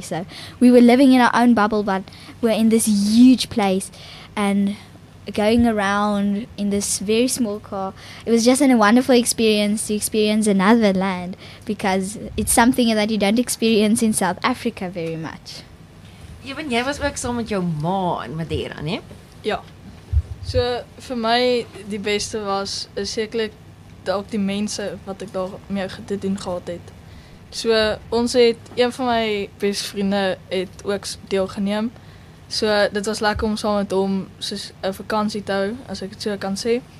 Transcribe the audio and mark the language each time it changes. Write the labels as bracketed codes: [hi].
[en] So we were living in our own bubble, but we're in this huge place and going around in this very small car. It was just a wonderful experience to experience another land, because it's something that you don't experience in South Africa very much. [af] Even jy was ook saam met jou ma in Madeira, né? Ja. So, vir my die beste was, is sekerlik ook die mense wat ek daar mee gedoen en gehad het. So, ons het, een van my beste vriende het ook deel geneem. So, dit was lekker om saam met hom soos een vakantie te hou, as ek het so kan sê.